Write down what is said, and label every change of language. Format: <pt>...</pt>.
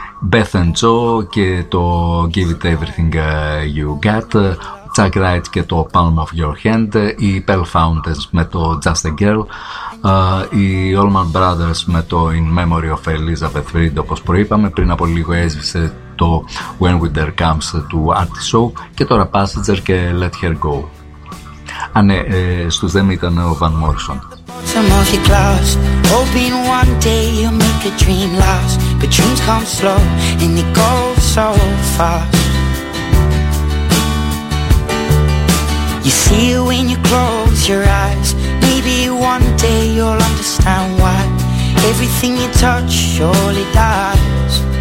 <el>Beth and Joe και το Give It Everything You Got, Chuck Wright και το Palm of Your Hand, οι Pearl Fountains με το Just a Girl, οι Allman Brothers με το In Memory of Elizabeth Reed, όπως προείπαμε, πριν από λίγο έσβησε το When Winter Comes του Artie Shaw, και τώρα Passenger και Let Her Go. Α, ναι, στους δεν ήταν ο Van Morrison.</el> <en>Some of your claws, hoping one day you'll make a dream last. But dreams come slow and they go so fast. You see it when you close your eyes. Maybe one day you'll understand why everything you touch surely dies.</en>